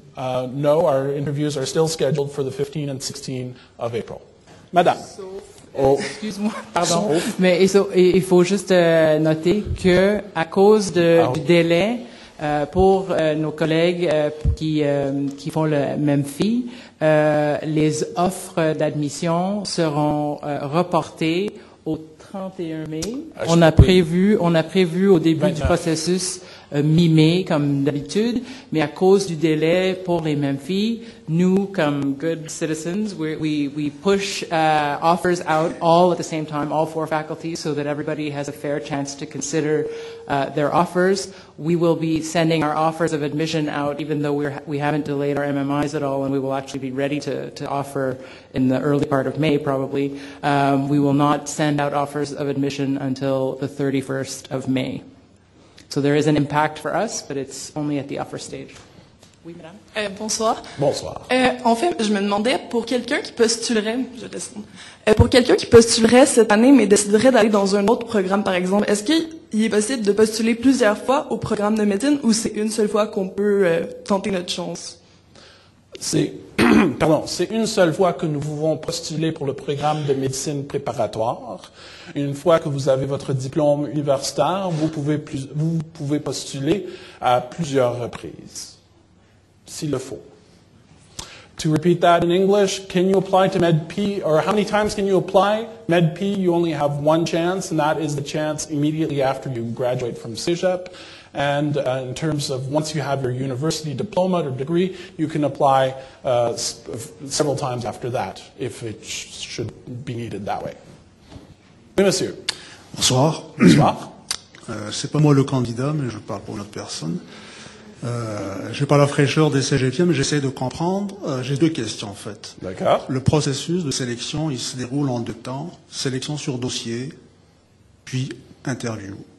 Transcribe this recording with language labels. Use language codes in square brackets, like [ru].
[en] No, our interviews are still scheduled for the 15 and 16 of April. [fr] Madame. Excuse-moi, pardon. Mais il faut juste noter que à cause du délai, pour nos collègues qui font le MEMFI, les offres d'admission seront reportées au 31 mai. On a prévu au début 29. Du processus mi-mai, comme d'habitude, mais à cause du délai pour les MEMFI, nous, comme [en] good citizens, we push offers out all at the same time, all four faculties, so that everybody has a fair chance to consider their offers. We will be sending our offers of admission out, even though we haven't delayed our MMIs at all, and we will actually be ready to offer in the early part of May, probably. We will not send out offers of admission until the 31st of May. So there is an impact for us, but it's only at the upper stage. [fr] Oui, madame. Bonsoir. Bonsoir. En fait, je me demandais, pour quelqu'un qui postulerait cette année, mais déciderait d'aller dans un autre programme, par exemple, est-ce qu'il est possible de postuler plusieurs fois au programme de médecine, ou c'est une seule fois qu'on peut tenter notre chance? C'est une seule fois que nous pouvons postuler pour le programme de médecine préparatoire. Une fois que vous avez votre diplôme universitaire, vous pouvez postuler à plusieurs reprises, s'il le faut. [en] To repeat that in English, can you apply to MedP, or how many times can you apply? MedP, you only have one chance, and that is the chance immediately after you graduate from CEGEP. And in terms of once you have your university diploma or degree, you can apply several times after that, if it should be needed that way. [fr] Oui, monsieur. Bonsoir. Bonsoir. C'est pas moi le candidat, mais je parle pour une autre personne. Je n'ai pas la fraîcheur des CGPM, mais j'essaie de comprendre. J'ai deux questions, en fait. D'accord. Le processus de sélection, il se déroule en deux temps. Sélection sur dossier, puis interview.